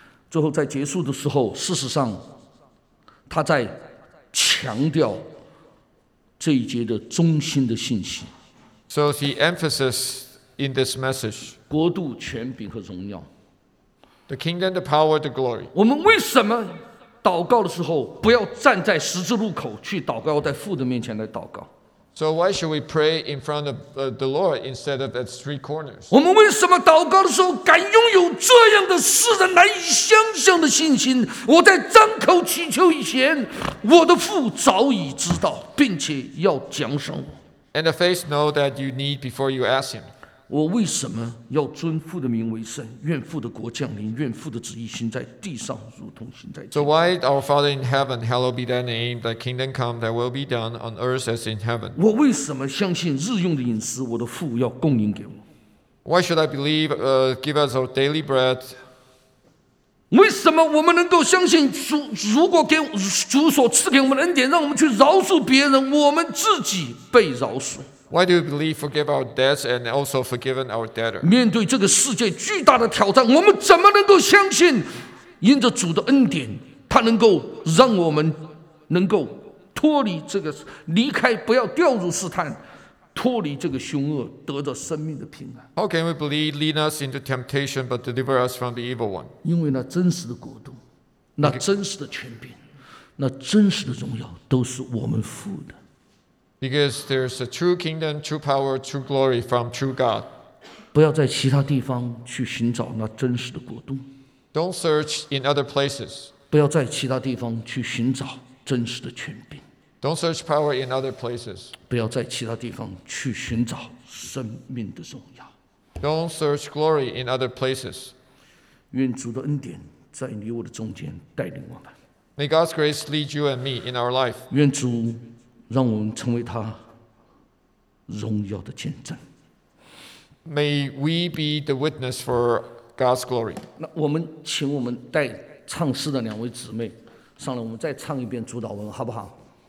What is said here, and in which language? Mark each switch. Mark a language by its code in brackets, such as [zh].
[zh] 最后在结束的时候，事实上，他在强调这一节的中心的信息。 [en] So he emphasizes in this message. [zh] 国度、权柄和荣耀。 [en] The kingdom, the power, the glory. [zh] 我们为什么祷告的时候不要站在十字路口去祷告，要在父的面前来祷告？ [en] So why should we pray in front of the Lord instead of at street corners? [zh] 我们为什么祷告的时候敢拥有这样的世人难以想象的信心？我在张口祈求以前，我的父早已知道，并且要奖赏我。 [en] And the faith know that you need before you ask him. [zh] 我为什么要尊父的名为圣？愿父的国降临，愿父的旨意行在地上，如同行在天。 [en] So why our Father in heaven, hallowed be thy name, thy kingdom come, thy will be done on earth as in heaven. [zh] 我为什么相信日用的饮食，我的父要供应给我？ [en] Why should I believe, give us our daily bread? [zh] 为什么我们能够相信主，如果给主所赐给我们的恩典，让我们去饶恕别人，我们自己被饶恕？ [en] Why do we believe forgive our debts and also forgiven our debtor? [zh] 面对这个世界巨大的挑战，我们怎么能够相信因着主的恩典，他能够让我们能够脱离这个，离开，不要掉入试探，脱离这个凶恶，得着生命的平安？ [en] How can we believe lead us into temptation but deliver us from the evil one? [zh] 因为那真实的国度，那真实的权柄，那真实的荣耀，都是我们父的。 [en] Because there's a true kingdom, true power, true glory from true God. [zh] 不要在其他地方去寻找那真实的国度。 [en] Don't search in other places. [zh] 不要在其他地方去寻找真实的权柄。 [en] Don't search power in other places. [zh] 不要在其他地方去寻找生命的荣耀。 [en] Don't search glory in other places. [zh] 愿主的恩典在你我的中间带领我们。 [en] May God's grace lead you and me in our life. [zh] 愿主让我们成为他荣耀的见证。 [en] May we be the witness for God's glory. [zh] 那我们请我们带唱诗的两位姊妹上来，我们再唱一遍主导文，好不好？